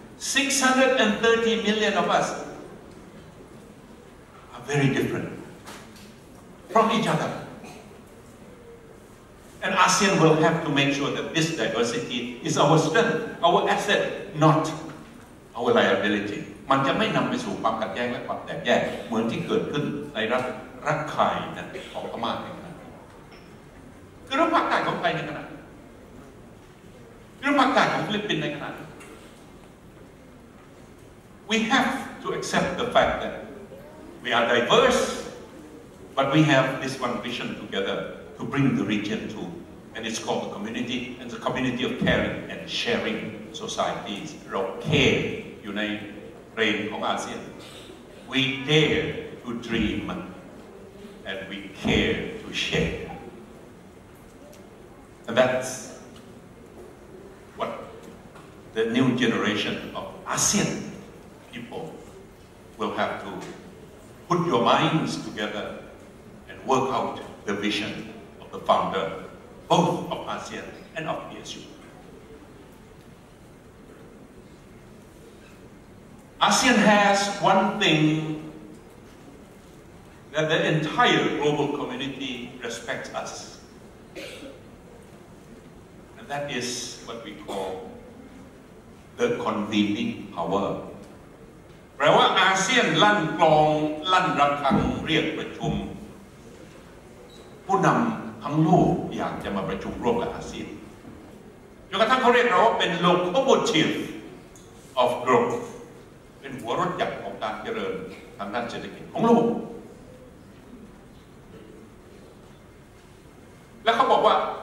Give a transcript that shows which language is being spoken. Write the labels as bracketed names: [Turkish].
[English] 630 million of us are very different from each other. And ASEAN will have to make sure that this diversity is our strength, our asset, not our liability. [Thai] มันจะไม่นำไปสู่ความขัดแย้งและความแตกแยกเหมือนที่เกิดขึ้นในรักไข่นั้นของพม่าในขณะนี้คือรัฐภาคใต้ของไทยในขณะนี้คือรัฐภาคใต้ของฟิลิปปินส์ในขณะนี้ [English] We have to accept the fact that we are diverse, but we have this one vision together to bring the region to, and it's called the community, and the community of caring and sharing societies. [Thai] เราcare อยู่ในเฟรมของอาเซียน [English] We dare to dream, and we care to share. And that's the new generation of ASEAN people will have to put your minds together and work out the vision of the founder, both of ASEAN and of PSU. ASEAN has one thing that the entire global community respects us, and that is what we call the convening power. [Thai] แปลว่าอาเซียนลั่นกลองลั่นระฆังเรียกประชุมผู้นำทั้งโลกอยากจะมาประชุมร่วมกับอาเซียนจนกระทั่งเขาเรียกเราว่าเป็น [English] locomotive of growth [Thai] เป็นหัวรถใหญ่ของการเจริญทางด้านเศรษฐกิจของโลกและเขาบอกว่า